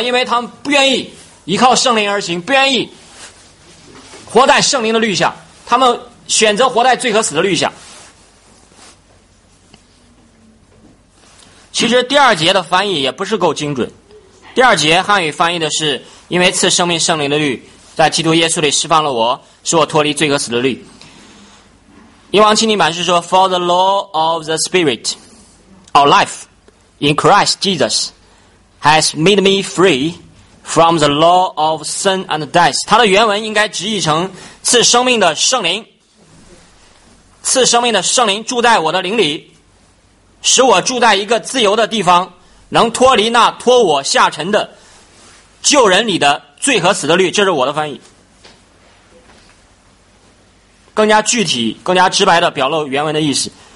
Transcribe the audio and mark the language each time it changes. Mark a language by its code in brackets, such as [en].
[zh] 因为他们不愿意依靠圣灵而行，不愿意活在圣灵的律下，他们选择活在罪和死的律下。其实第二节的翻译也不是够精准，第二节汉语翻译的是因为赐生命圣灵的律在基督耶稣里释放了我，使我脱离罪和死的律。 [en] 英王钦定版是说 For the law of the spirit of life in Christ Jesus has made me free from the law of sin and death。 [zh] 它的原文应该直译成赐生命的圣灵，赐生命的圣灵住在我的灵里，使我住在一个自由的地方，能脱离那拖我下沉的旧人里的罪和死的律。这是我的翻译，更加具体更加直白的表露原文的意思。